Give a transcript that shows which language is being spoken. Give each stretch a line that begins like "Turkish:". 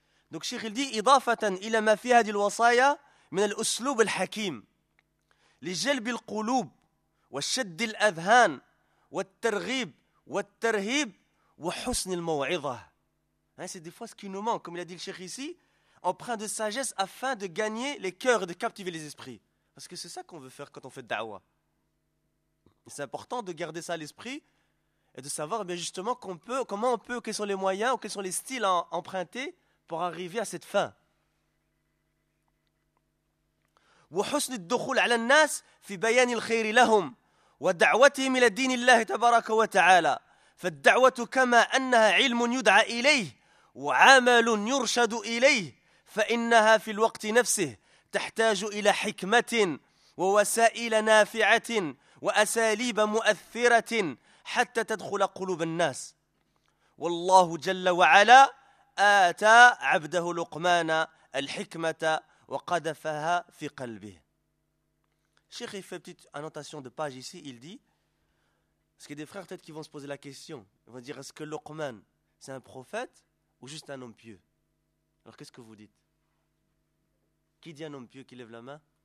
French: Donc Cheikh il dit «
Arabic: إضافة إلى ما في هذه الوصايا من الأسلوب الحكيم لجلب القلوب والشد الأذهان والترغيب والترهيب وحسن الموعظة
French: » C'est des fois ce qui nous manque, comme il a dit le Cheikh ici, emprunt de sagesse afin de gagner les cœurs et de captiver les esprits. Parce que c'est ça qu'on veut faire quand on fait da'wah. C'est important de garder ça à l'esprit et de savoir bien justement quels sont les moyens ou quels sont les styles à emprunter pour arriver à cette fin.
Arabic: وحسن الدخول على الناس في بيان الخير لهم ودعوتهم إلى دين الله تبارك وتعالى فالدعوة كما أنها علم يدعى إليه وعمل يرشد إليه فإنها في الوقت نفسه تحتاج إلى حكمة ووسائل نافعة وأساليب مؤثرة حتى تدخل قلوب الناس والله جل وعلا آتى عبده لقمان الحكمة وقذفها في قلبه.
French: Cheikh fait une petite annotation de page ici, il dit, parce qu'il y a des frères peut-être qui vont se poser la question, ils vont dire est-ce que Luqman c'est un prophète ou juste un homme pieux? Alors qu'est-ce que vous dites? Qui dit un homme pieux qui lève la main?